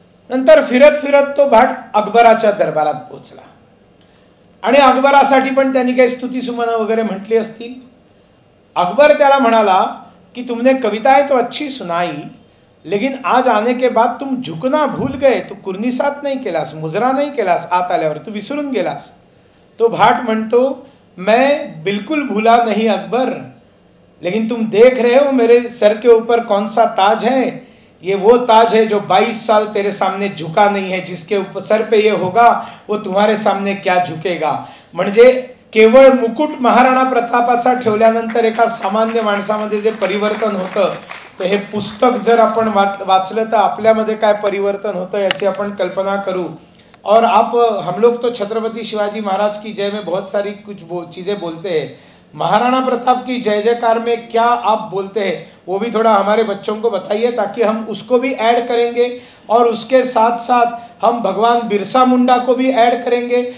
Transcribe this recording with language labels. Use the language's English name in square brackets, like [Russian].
[Marathi] नंतर फिरत फिरत तो भाट अकबराच्या दरबारात पोहोचला आणि अकबरासाठी पण त्यांनी काही स्तुतिसुमनं वगैरे म्हटली असतील. अकबर त्याला म्हणाला की [Hindi] तुमने कविता है तो अच्छी सुनाई, लेकिन आज आने के बाद तुम झुकना भूल गए, [Marathi] तू कुर्निसात नाही केलास, मुजरा नाही केलास, आत आल्यावर तू विसरून गेलास. तो भाट म्हणतो, [Hindi] मैं बिल्कुल भूला नहीं अकबर, लेकिन तुम देख रहे हो मेरे सर के ऊपर कौन सा ताज है, ये वो ताज है जो 22 साल तेरे सामने झुका नहीं है, जिसके ऊपर सर पे ये होगा वो तुम्हारे सामने क्या झुकेगा. [Marathi] म्हणजे केवळ मुकुट महाराणा प्रतापाचा ठेवल्यानंतर एका सामान्य माणसामध्ये जे परिवर्तन होतं, तर हे पुस्तक जर आपण वाचलं तर आपल्यामध्ये काय परिवर्तन होतं याची आपण कल्पना करू. [Hindi] और आप हम लोग तो छत्रपती शिवाजी महाराज की जय में बहुत सारी कुछ चीजें बोलते हैं, महाराणा प्रताप की जय जयकार में क्या आप बोलते हैं वो भी थोड़ा हमारे बच्चों को बताइए, ताकि हम उसको भी ऐड करेंगे और उसके साथ साथ हम भगवान बिरसा मुंडा को भी ऐड करेंगे.